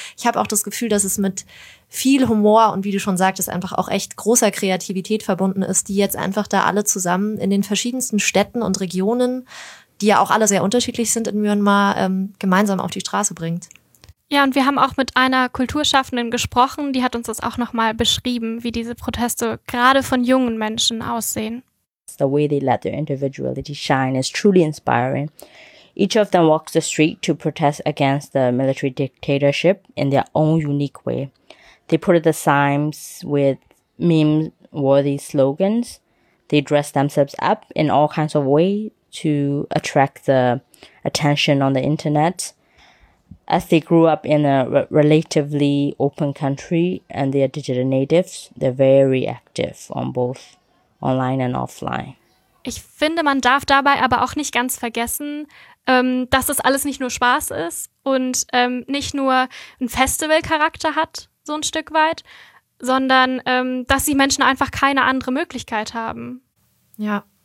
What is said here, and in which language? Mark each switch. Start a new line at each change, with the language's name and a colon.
German: Ich habe auch das Gefühl, dass es mit viel Humor und, wie du schon sagtest, einfach auch echt großer Kreativität verbunden ist, die jetzt einfach da alle zusammen in den verschiedensten Städten und Regionen, die ja auch alle sehr unterschiedlich sind in Myanmar, gemeinsam auf die Straße bringt. Ja, und wir haben auch mit einer Kulturschaffenden gesprochen, die hat uns das auch nochmal beschrieben, wie diese Proteste gerade von jungen Menschen aussehen.
English: The way they let their individuality shine is truly inspiring. Each of them walks the street to protest against the military dictatorship in their own unique way. They put the signs with meme-worthy slogans. They dress themselves up in all kinds of ways to attract the attention on the internet. As they grew up in a relatively open country and they are digital natives, they're very active on both online and offline.
German: Ich finde, man darf dabei aber auch nicht ganz vergessen, dass das alles nicht nur Spaß ist und nicht nur ein Festivalcharakter hat, so ein Stück weit, sondern dass die Menschen einfach keine andere Möglichkeit haben. Ja.